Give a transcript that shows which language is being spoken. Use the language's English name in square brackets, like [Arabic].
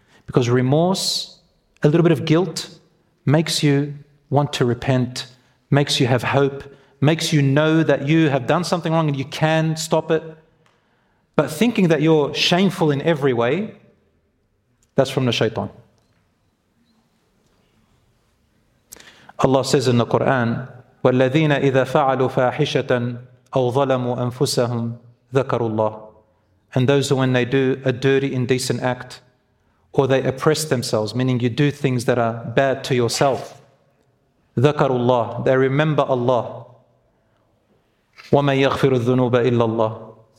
[English] Because remorse, a little bit of guilt, makes you want to repent, makes you have hope, makes you know that you have done something wrong and you can stop it. But thinking that you're shameful in every way, that's from the shaitan. [Arabic] Allah says in the Quran, وَالَّذِينَ إِذَا فَعَلُوا فَاحِشَةً أَوْ ظَلَمُوا أَنفُسَهُمْ ذَكَرُوا اللَّهِ. [English] And those who, when they do a dirty, indecent act, or they oppress themselves, meaning you do things that are bad to yourself, [Arabic] ذَكَرُوا اللَّهِ, [English] they remember Allah. [Arabic] وَمَنْ يَغْفِرُ الذُّنُوبَ إِلَّا اللَّهِ